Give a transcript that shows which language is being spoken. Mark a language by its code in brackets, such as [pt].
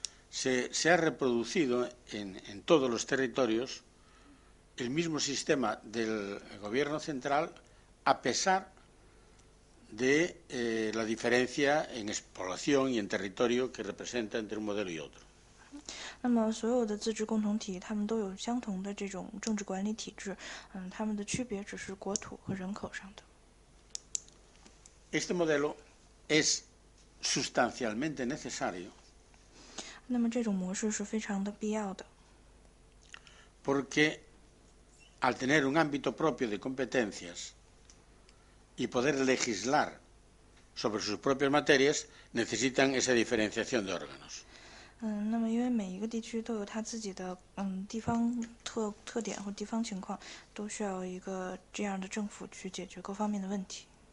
[es] Se ha reproducido en todos los territorios el mismo sistema del gobierno central a pesar de la diferencia en población y en territorio que representa entre un modelo y otro. [zh] 那么所有的自治共同体他们都有相同的这种政治管理体制，他们的区别只是国土和人口上的。 [es] Este modelo es sustancialmente necesario. [zh] 那么这种模式是非常的必要的。 [es] Porque al tener un ámbito propio de competencias, y poder legislar sobre sus propias materias necesitan esa diferenciación de órganos. [zh] 那么因为每一个地区都有它自己的地方特点或地方情况，都需要一个这样的政府去解决各方面的问题。